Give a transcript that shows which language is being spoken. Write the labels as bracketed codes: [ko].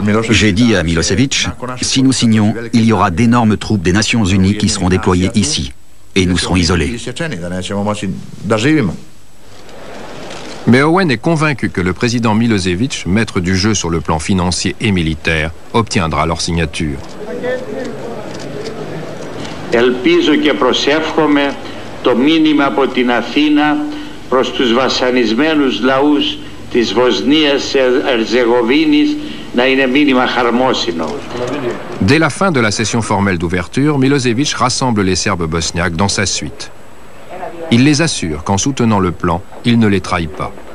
[fr] J'ai dit à Milosevic, si nous signons, il y aura d'énormes troupes des Nations Unies qui seront déployées ici. et nous serons isolés. Mais Owen est convaincu que le président Milosevic, maître du jeu sur le plan financier et militaire, obtiendra leur signature. [el] Ελπίζω και προσεύχομαι το μήνυμα από την Αθήνα προς τους βασανισμένους λαούς της Βοσνίας και Ερζεγοβίνης να είναι μήνυμα χαρμόσυνο. [fr] Dès la fin de la session formelle d'ouverture, Milosevic rassemble les Serbes bosniaques dans sa suite. Il les assure qu'en soutenant le plan, il ne les trahit pas.